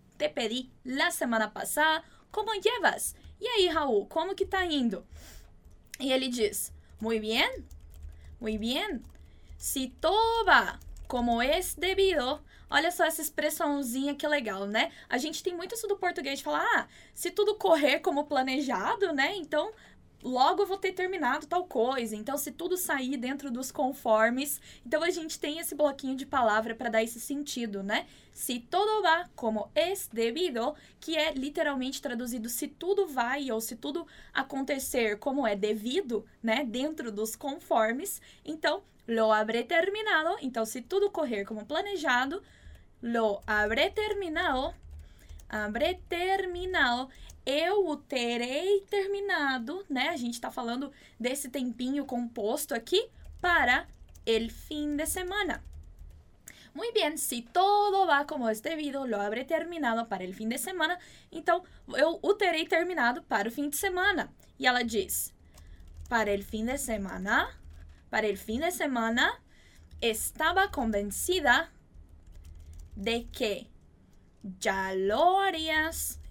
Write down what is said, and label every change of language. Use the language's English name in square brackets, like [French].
[Spanish] Te pedi la semana passada, como llevas? [Portuguese] E aí, Raul, como que tá indo? E ele diz: [Spanish] Muy bien, muy bien. Si todo va como es debido. [Portuguese] Olha só essa expressãozinha que legal, né? A gente tem muito isso do português de falar: ah, se tudo correr como planejado, né? Então, logo eu vou ter terminado tal coisa. Então, se tudo sair dentro dos conformes. Então, a gente tem esse bloquinho de palavra para dar esse sentido, né? [Spanish] Si todo va como es debido, [Portuguese] que é literalmente traduzido se tudo vai ou se tudo acontecer como é devido, né? Dentro dos conformes. Então, [Spanish] lo habré terminado. [Portuguese] Então, se tudo correr como planejado, [Spanish] lo habré terminado. Habré terminado. [Portuguese] Eu o terei terminado, né? A gente tá falando desse tempinho composto aqui [Spanish] para el fin de semana. Muy bien, si todo va como es debido, lo habré terminado para el fin de semana. [Portuguese] Então, eu o terei terminado para o fim de semana. E ela diz, [Spanish] para el fin de semana, para el fin de semana, estaba convencida de que ya lo harías.